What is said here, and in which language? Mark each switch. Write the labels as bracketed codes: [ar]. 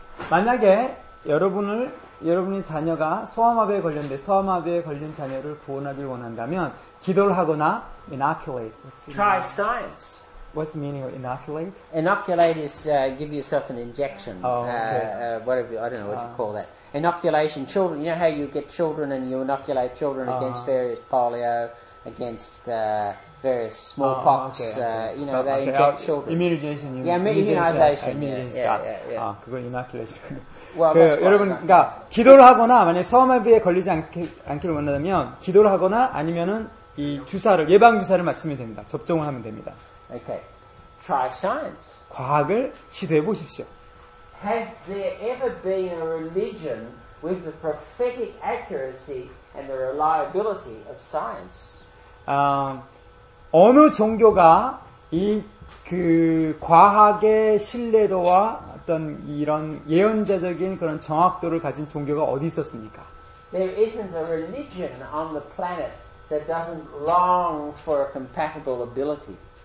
[ko] 만약에 여러분의 자녀가 소아마비에 걸린 자녀를 구원하길 원한다면 기도를 하거나 inoculate. [en] Try science. What's the meaning of inoculate? Inoculate is give yourself an injection. Whatever, I don't know what you call that. Inoculation, children. You know how you get children and you inoculate children against various polio, against various smallpox. They inject children. Immunization. Immunization. Yeah. [ko] 그걸 inoculation. Well, 여러분, 그러니까 기도를 하거나 만약 소아마비에 걸리지 않기를 원한다면 기도를 하거나 아니면은 이 주사를 예방 주사를 맞추면 됩니다. 접종을 하면 됩니다. [en] Okay. Try science. [ko] 과학을 시도해 보십시오. [en] Has there ever been a religion with the prophetic accuracy and the reliability of science? [ko] 어느 종교가 그 과학의 신뢰도와 어떤 이런 예언자적인 그런 정확도를 가진 종교가 어디 있었습니까? [en] There isn't a religion on the planet that doesn't long for a compatible ability.